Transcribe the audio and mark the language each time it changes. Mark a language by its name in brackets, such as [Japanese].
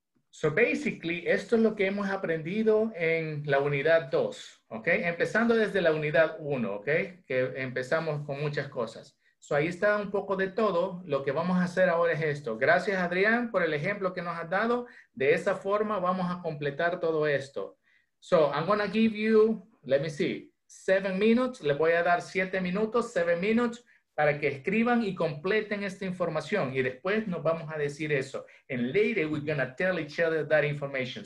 [English] So basically, [Spanish] esto es lo que hemos aprendido en la unidad 2. Ok, empezando desde la unidad 1, ok, que empezamos con muchas cosas. So ahí está un poco de todo. Lo que vamos a hacer ahora es esto. Gracias, Adrián, por el ejemplo que nos has dado. De esa forma vamos a completar todo esto. [English] So I'm going to give you, let me see, 7 minutes. [Spanish] Les voy a dar 7 minutos, [English] 7 minutes, [Spanish] para que escriban y completen esta información. Y después nos vamos a decir eso. [English] And later we're going to tell each other that information.